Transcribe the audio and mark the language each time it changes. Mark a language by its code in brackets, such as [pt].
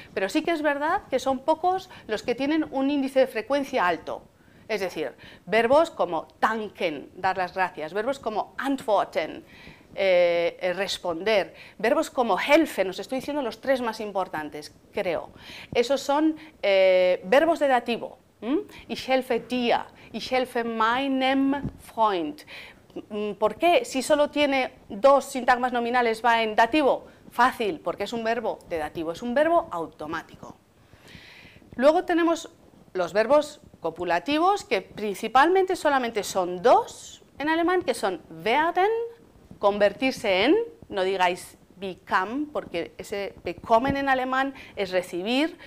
[es] Pero sí que es verdad que son pocos los que tienen un índice de frecuencia alto. Es decir, verbos como danken, dar las gracias. Verbos como antworten, responder. Verbos como helfen, os estoy diciendo los tres más importantes, creo. Esos son verbos de dativo. [de] Ich helfe dir, ich helfe meinem Freund. [es] ¿Por qué? Si solo tiene dos sintagmas nominales, va en dativo. Fácil, porque es un verbo de dativo, es un verbo automático. Luego tenemos los verbos copulativos, que principalmente solamente son dos en alemán, que son werden, convertirse en, no digáis become, porque ese bekommen en alemán es recibir.